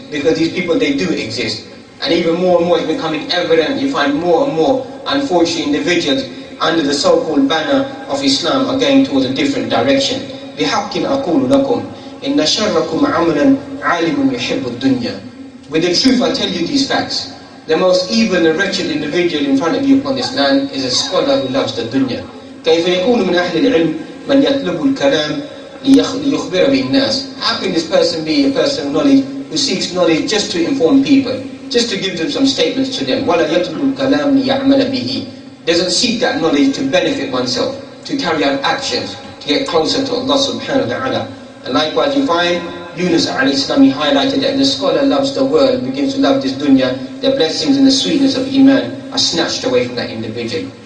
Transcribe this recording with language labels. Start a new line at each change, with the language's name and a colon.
English: Because these people, they do exist. And even more and more it's becoming evident, you find more and more unfortunate individuals under the so-called banner of Islam are going towards a different direction.
Arabic: بِحَقِّنْ أَقُولُ لَكُمْ إِنَّ شَرَّكُمْ عَمْلًا عَالِمٌ يُحِبُّ الدُّنْيَا.
English: With the truth I tell you these facts. The most evil and wretched individual in front of you upon this land is a scholar who loves the dunya.
Arabic: كيف يكون من أهل العلم من يطلب الكلام ليخبر به الناس.
English: How can this person be a person of knowledge who seeks knowledge just to inform people, just to give them some statements to them.
Arabic: ولا يطلب الكلام ليعمل به.
English: Doesn't seek that knowledge to benefit oneself, to carry out actions, to get closer to Allah subhanahu wa ta'ala. And likewise you find Yunus alayhi salam, he highlighted that the scholar loves the world, begins to love this dunya, the blessings and the sweetness of iman are snatched away from that individual.